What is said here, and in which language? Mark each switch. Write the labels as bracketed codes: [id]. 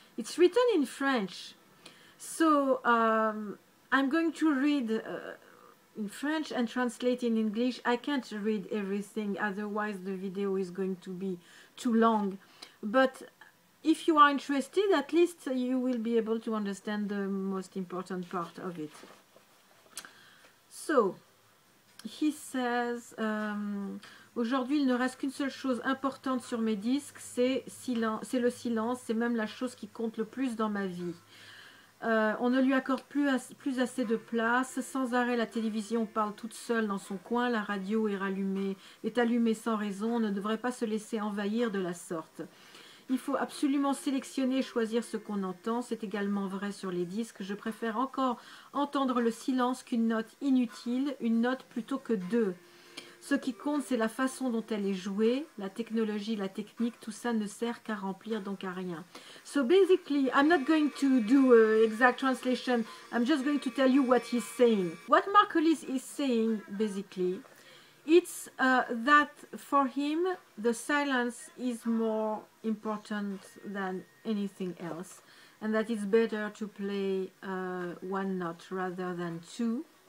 [en] It's written in French. So I'm going to read in French and translate in English. I can't read everything, otherwise the video is going to be too long. But if you are interested, at least you will be able to understand the most important part of it. So, he says, [fr] aujourd'hui il ne reste qu'une seule chose importante sur mes disques, c'est le silence, c'est même la chose qui compte le plus dans ma vie. On ne lui accorde plus assez de place, sans arrêt la télévision parle toute seule dans son coin, la radio est allumée sans raison, on ne devrait pas se laisser envahir de la sorte. Il faut absolument sélectionner et choisir ce qu'on entend. C'est également vrai sur les disques. Je préfère encore entendre le silence qu'une note inutile, une note plutôt que deux. Ce qui compte, c'est la façon dont elle est jouée, la technologie, la technique, tout ça ne sert qu'à remplir, donc à rien. [en] So basically, I'm not going to do an exact translation. I'm just going to tell you what he's saying. What Marcolis is saying, basically, it's that for him, the silence is more important than anything else, and that it's better to play one note rather than two.